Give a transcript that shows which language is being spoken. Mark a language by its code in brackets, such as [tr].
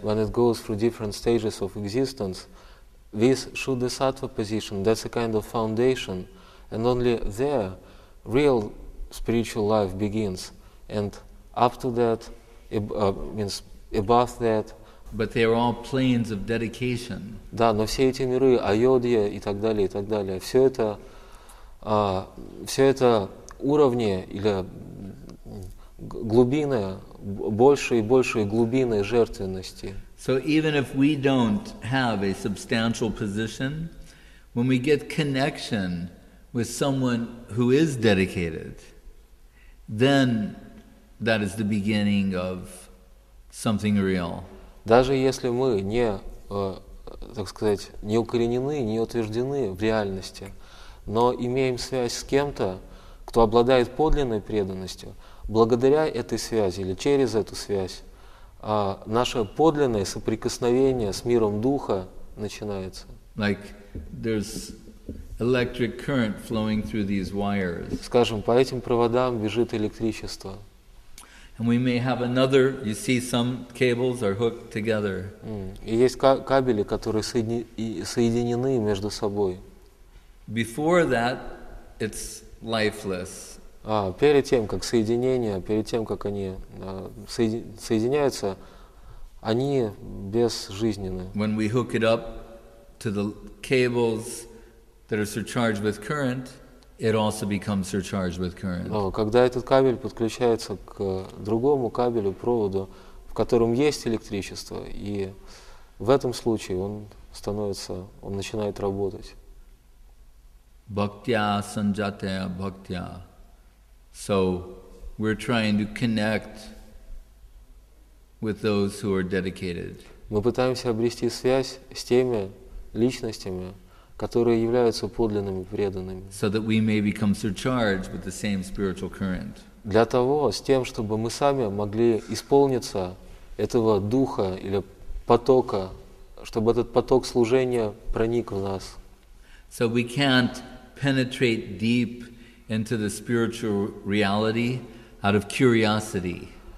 [en] when it goes through different stages of existence, this Shuddhisattva position, that's a kind of foundation, and only there real spiritual life begins, and up to that, means above that. But they are all planes of dedication. [ru] Да, но все эти миры, Айодья и так далее, и так далее, все это... все это уровни или глубины, больше и глубины жертвенности. [en] So even if we don't have a substantial position, when we get connection with someone who is dedicated, then that is the beginning of something real. [ru] Даже если мы не, так сказать, не укоренены, не утверждены в реальности, но имеем связь с кем-то, кто обладает подлинной преданностью, благодаря этой связи или через эту связь, наше подлинное соприкосновение с миром Духа начинается. [en] Like there's electric current flowing through these wires. [ru] Скажем, по этим проводам бежит электричество. [en] And we may have another, you see some cables are hooked together. [ru] И есть кабели, которые соединены между собой. [en] Before that, it's lifeless. [ru] Перед тем, как соединение, перед тем, как они соединяются, они безжизненны. [en] When we hook it up, to the cables that are surcharged with current, it also becomes surcharged with current. [ru] Но когда этот кабель подключается к другому кабелю, проводу, в котором есть электричество, и в этом случае он становится, он начинает работать. [sa] Bhaktya sanjataya bhaktya. [en] So we're trying to connect with those who are dedicated. [ru] Мы пытаемся обрести связь с теми личностями, которые являются подлинными преданными. [en] So that we may become surcharged with the same spiritual current. [ru] Для того, с тем, чтобы мы сами могли исполниться этого духа или потока, чтобы этот поток служения проник в нас. [en] So we can't penetrate deep into the spiritual reality out of curiosity.